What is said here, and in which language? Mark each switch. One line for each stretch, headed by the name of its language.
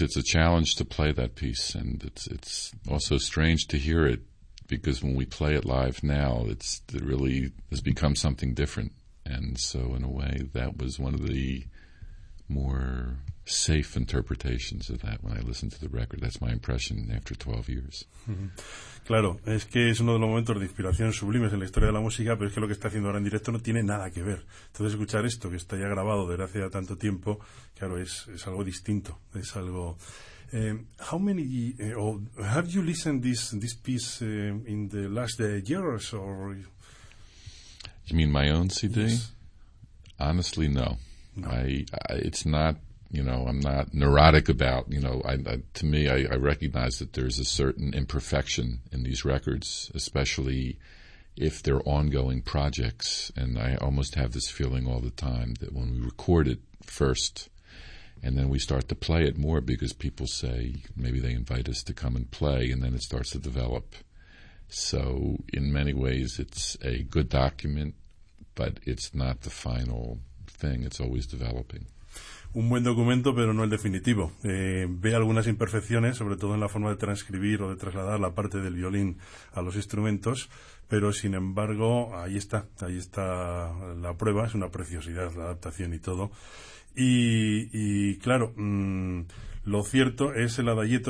English: It's a challenge to play that piece, and it's also strange to hear it, because when we play it live now, it really has become something different. And so, in a way, that was one of the more safe interpretations of that when I listened to the record. That's my impression after 12 years.
Spanish: Claro, es que es uno de los momentos de inspiración sublimes en la historia de la música, pero es que lo que está haciendo ahora en directo no tiene nada que ver. Entonces, escuchar esto, que está ya grabado desde hace ya tanto tiempo, claro, es algo distinto, es algo...
English: how many or have you listened this piece in the last years, or you mean my own CD? Yes. Honestly, no. I it's not, you know, I'm not neurotic about, you know, I recognize that there's a certain imperfection in these records, especially if they're ongoing projects, and I almost have this feeling all the time that when we record it first and then we start to play it more, because people say, maybe they invite us to come and play, and then it starts to develop. So in many ways, it's a good document, but it's not the final thing. It's always developing.
Spanish: Un buen documento, pero no el definitivo. Ve algunas imperfecciones, sobre todo en la forma de transcribir o de trasladar la parte del violín a los instrumentos, pero sin embargo, ahí está la prueba, es una preciosidad, la adaptación y todo. Y claro, lo cierto es el adagietto.